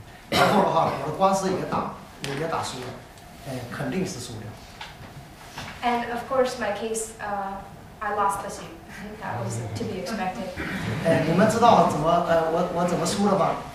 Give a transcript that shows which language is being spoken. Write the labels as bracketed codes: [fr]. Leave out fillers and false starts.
[zh] 然后的话，我的官司也打输了，肯定是输了。 [en] And of course, my case, I lost the suit. That was to be expected. [zh] 你们知道怎么我怎么输了吧？